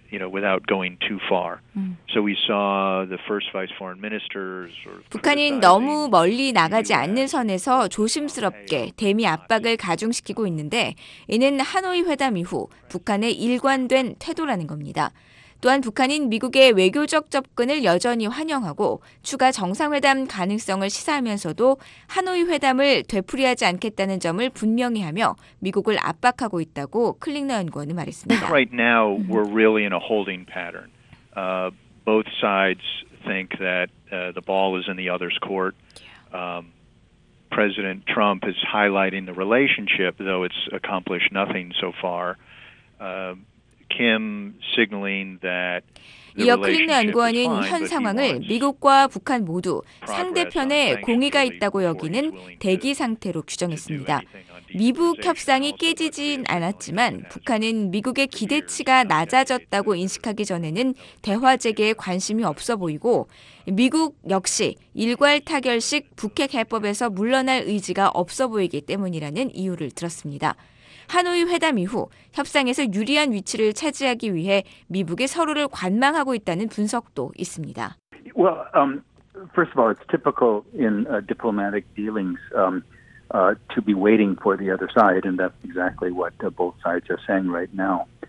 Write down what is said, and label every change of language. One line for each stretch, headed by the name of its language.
English: without going too far. So we saw the first vice foreign ministers.
Korean: 북한은 너무 멀리 나가지 않는 선에서 조심스럽게 대미 압박을 가중시키고 있는데 이는 하노이 회담 이후 북한의 일관된 태도라는 겁니다. 또한 북한은 미국의 외교적 접근을 여전히 환영하고 추가 정상회담 가능성을 시사하면서도 하노이 회담을 되풀이하지 않겠다는 점을 분명히 하며 미국을 압박하고 있다고 클릭너 연구원은 말했습니다.
English: Right now we're really in a holding pattern. Both sides think that the ball is in the other's court. President Trump is highlighting the relationship, though it's accomplished nothing so far. Kim signaling that
Korean: 이어 클릭너 연구원은 현 상황을 미국과 북한 모두 상대편에 공의가 있다고 여기는 대기 상태로 규정했습니다. 미북 협상이 깨지진 않았지만 북한은 미국의 기대치가 낮아졌다고 인식하기 전에는 대화 재개에 관심이 없어 보이고 미국 역시 일괄 타결식 북핵 해법에서 물러날 의지가 없어 보이기 때문이라는 이유를 들었습니다. 하노이 회담 이후 협상에서 유리한 위치를 차지하기 위해 미국이 서로를 관망하고 있다는 분석도 있습니다.
English: Well, first of all, it's typical in diplomatic dealings to be waiting for the other side, and that's exactly what both sides are saying right now.